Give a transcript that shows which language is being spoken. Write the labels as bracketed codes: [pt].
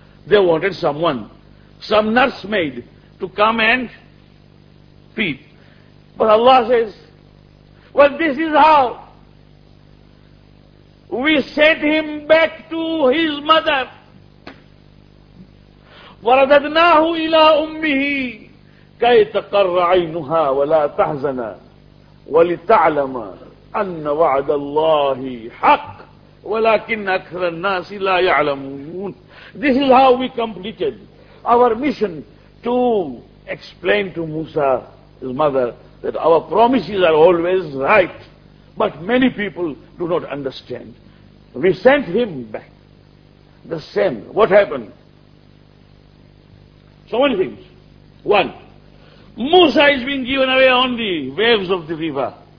[en] They wanted someone, some nursemaid, to come and feed. But Allah says, well, this is how. We sent him back to his mother. [ar] وَرَدَدْنَاهُ إِلَىٰ أُمِّهِ كَيْ تَقَرَّ عَيْنُهَا وَلَا تَحْزَنَا وَلِتَعْلَمَا أَنَّ وَعْدَ اللَّهِ حَقٌّ وَلَكِنَّ أَكْثَرَ النَّاسِ لَا يَعْلَمُونَ [en] This is how we completed our mission to explained to Musa, his mother, that our promises are always right, but many people do not understand. We sent him back. The same. What happened? So many things. One, Musa is being given away on the waves of the river.